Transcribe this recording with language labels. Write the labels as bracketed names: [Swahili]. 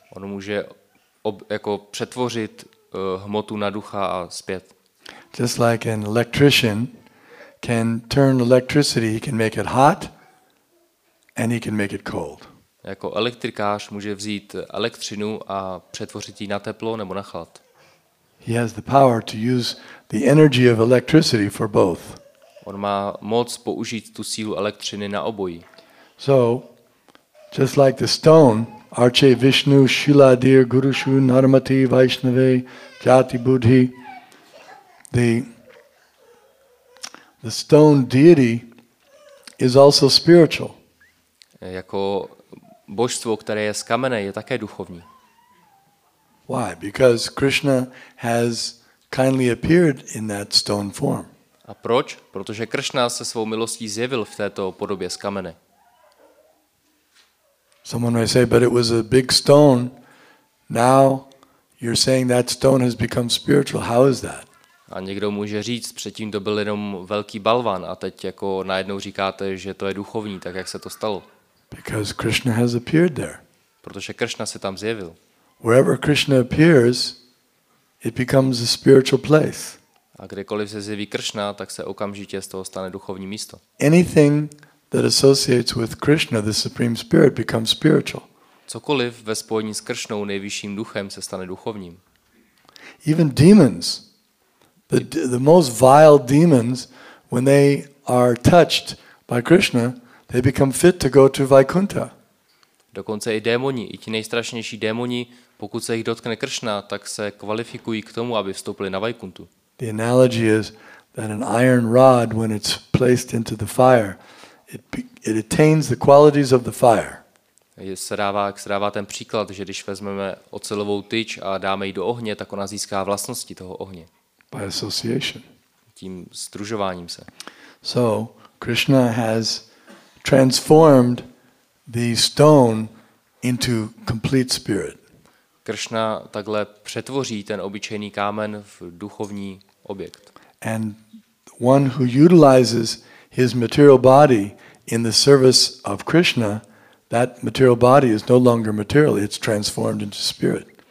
[Czech] On může jako přetvořit hmotu na ducha a zpět. [English] Just like an electrician can turn electricity, he can make it hot and he can make it cold. [Czech] Jako elektrikář může vzít elektřinu a přetvořit ji na teplo nebo na chlad. [English] He has the power to use the energy of electricity for both. [Czech] On má moc použít tu sílu elektřiny na obojí. [English] So, just like the stone, [Sanskrit] Arche Vishnu, Shiladir, Gurushu, Narmati, Vaishnave, Jati Buddhi, [English] the stone deity is also spiritual. [Czech] Jako božstvo, které je z kamene, je také duchovní. [English] Why? Because Krishna has kindly appeared in that stone form. [Czech] A proč? Protože Krishna se svou milostí zjevil v této podobě z kamene. [English] Someone may say, but it was a big stone. Now you're saying that stone has become spiritual. How is that? [Czech] A někdo může říct, předtím to byl jenom velký balvan a teď jako najednou říkáte, že to je duchovní, tak jak se to stalo? [English] Because Krishna has appeared there. [Czech] Protože Krishna se tam zjevil. [English] Wherever Krishna appears, it becomes a spiritual place. [Czech] A kdekoliv se zjeví Krishna, tak se okamžitě z toho stane duchovní místo. [English] Anything that associates with Krishna, the supreme spirit, becomes spiritual. [Czech] Cokoliv ve spojení s Krishnou, nejvyšším duchem, se stane duchovním. [English] Even demons, the most vile demons, when they are touched by Krishna, they become fit to go to Vaikuntha. [Czech] Dokonce i démoni, i ti nejstrašnější démoni, pokud se jich dotkne Krishna, tak se kvalifikují k tomu, aby vstoupili na Vaikuntu. [English] The analogy is that an iron rod, when it's placed into the fire, it attains the qualities of the fire. [Czech] Se dává ten příklad, že když vezmeme ocelovou tyč a dáme ji do ohně, tak ona získá vlastnosti toho ohně. [English] By association. [Czech] Tím združováním se. [English] So Krishna has transformed the stone into complete spirit. [Czech] Krishna takhle přetvoří ten obyčejný kámen v duchovní objekt. [English] And one who utilizes his material body in the service of Krishna, that material body is no longer material, it's transformed into spirit.